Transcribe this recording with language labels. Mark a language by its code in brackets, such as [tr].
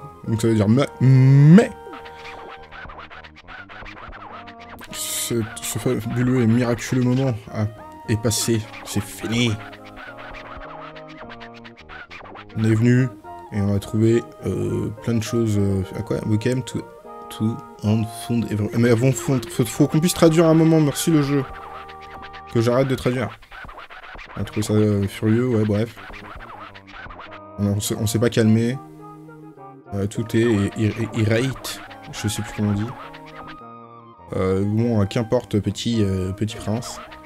[fr] Donc ça veut dire mais! Ce fabuleux et miraculeux moment est passé. C'est fini. On est venu et on a trouvé plein de choses. À quoi? [en] We came to and found everything. [fr] Mais avant, faut qu'on puisse traduire un moment. Merci le jeu. Que j'arrête de traduire. On a trouvé ça furieux, ouais, bref. On s'est pas calmé. Tout est irate. Je sais plus comment on dit. Bon, qu'importe, petit prince.